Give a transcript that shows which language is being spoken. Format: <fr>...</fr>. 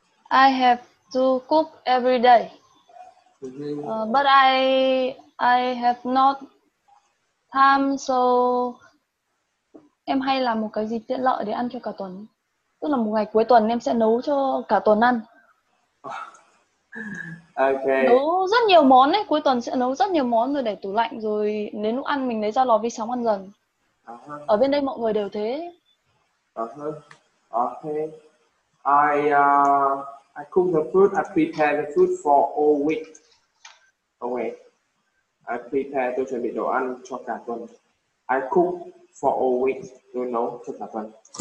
<en>I have to cook every day, but I have not time, so</en> <vi>em hay làm một cái gì tiện lợi để ăn cho cả tuần. Tức là một ngày cuối tuần em sẽ nấu cho cả tuần ăn. Okay. Nấu rất nhiều món ấy, cuối tuần sẽ nấu rất nhiều món rồi để tủ lạnh, rồi đến lúc ăn mình lấy ra lò vi sóng ăn dần. Uh-huh. Ở bên đây mọi người đều thế. Uh-huh. Okay.</vi> <en>I cook the food, I prepare the food for all week. Okay. I prepare,</en> <vi>tôi chuẩn bị đồ ăn cho cả tuần.</vi> <en>I cook for all week,</en> <vi>tôi nấu cho cả tuần.</vi>